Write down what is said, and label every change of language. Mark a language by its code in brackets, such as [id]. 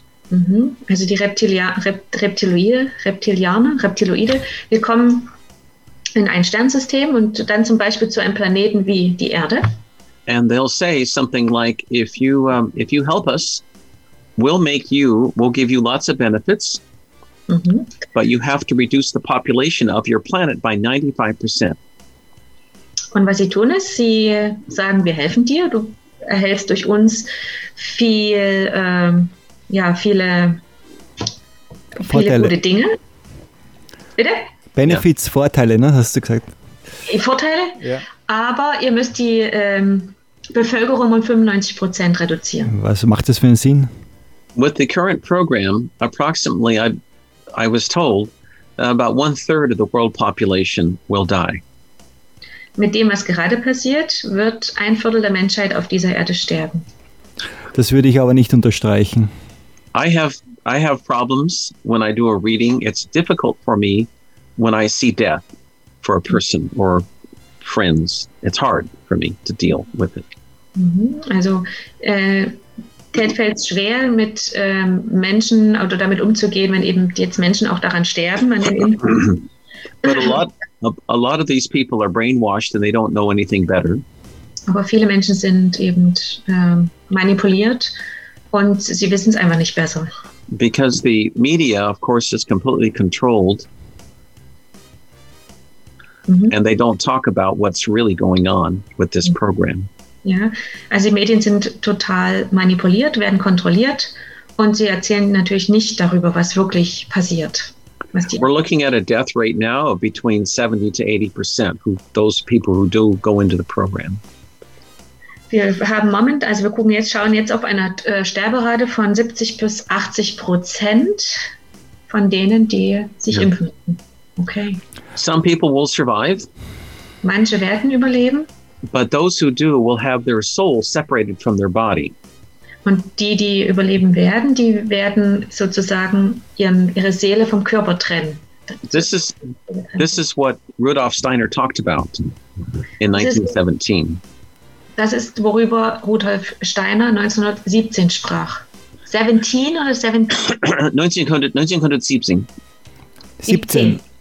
[de] Also die Reptiloide, wir kommen in ein Sternsystem und dann zum Beispiel zu einem Planeten wie die Erde. [en] And they'll say something like, if you help us, we'll give you lots of benefits, but you have to reduce the population of your planet by 95%. [de] Und was sie tun ist, sie sagen, wir helfen dir, du erhältst durch uns viele gute Dinge. Bitte? Benefits, ja. Vorteile, ne, hast du gesagt. Vorteile? Ja. Aber ihr müsst die Bevölkerung um 95% reduzieren. Was macht das für einen Sinn? [en] With the current program, approximately, I was told, about 1/3 of the world population will die. [de] Mit dem, was gerade passiert, wird 1/4 der Menschheit auf dieser Erde sterben. Das würde ich aber nicht unterstreichen. [en] I have problems when I do a reading. It's difficult for me when I see death for a person or friends. It's hard for me to deal with it. [de] Also, Ted fällt es schwer, mit Menschen oder damit umzugehen, wenn eben jetzt Menschen auch daran sterben. An den [en] But a lot of these people are brainwashed and they don't know anything better. [de] Aber viele Menschen sind eben manipuliert. Und sie wissen es einfach nicht besser. [en] Because the media, of course, is completely controlled. And they don't talk about what's really going on with this program. [de] Ja, also die Medien sind total manipuliert, werden kontrolliert. Und sie erzählen natürlich nicht darüber, was wirklich passiert. [en] We're looking at a death rate now of between 70-80%, those people who do go into the program. [de] Wir haben momentan, also wir gucken jetzt, schauen jetzt auf eine Sterberate von 70-80% von denen, die sich impfen. Okay. [en] Some people will survive. [de] Manche werden überleben. [en] But those who do will have their soul separated from their body. [de] Und die, die überleben werden, die werden sozusagen ihre Seele vom Körper trennen. [en] This is what Rudolf Steiner talked about in 1917. [de] Das ist, worüber Rudolf Steiner 1917 sprach. 17 oder 1917. 17.